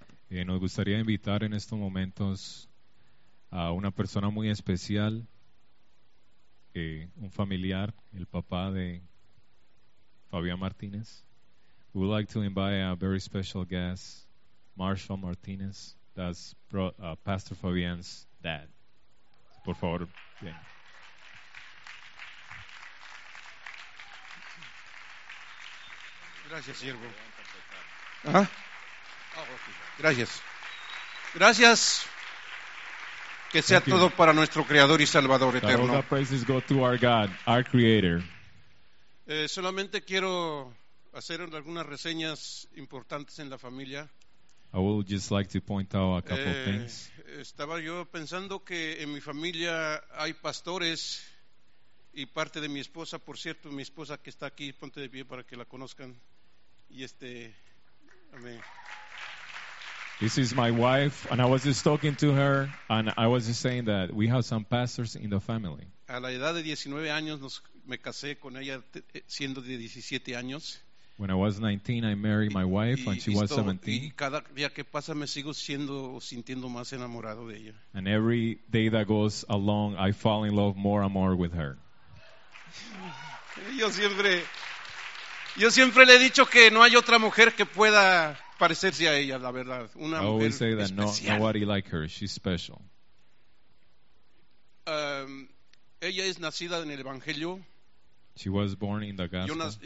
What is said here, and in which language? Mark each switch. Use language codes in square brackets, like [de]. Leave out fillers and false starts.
[es] Nos gustaría invitar en estos momentos a una persona muy especial, un familiar, el papá de Fabián Martínez. [en] We would like to invite a very special guest, Marshall Martínez, that's Pastor Fabián's dad. [es] Por favor, bien. Gracias, siervo. Gracias. Gracias. Que sea todo para nuestro Creador y Salvador eterno. [en] All the praises go to our God, our Creator. [es] Solamente quiero hacer algunas reseñas importantes en la familia. [en] I would just like to point out a couple of things. [es] Estaba yo pensando que en mi familia hay pastores y parte de mi esposa, por cierto, mi esposa que está aquí, ponte de pie para que la conozcan. Y amén. [en] This is my wife, and I was just talking to her, and I was just saying that we have some pastors in the family. [es] A la edad de 19 años, me casé con ella siendo de 17 años. [en] When I was 19, I married my wife, and she was 17. [es] Y cada día que pasa, me sigo siendo o sintiendo más enamorado de ella. [en] And every day that goes along, I fall in love more and more with her. [es] Yo siempre le he dicho que no hay otra mujer que pueda parecerse a ella, la verdad. Una mujer especial. [en] I always say that nobody like her. She's special. [es] Ella es nacida en el Evangelio. [en] She was born in the Gospel.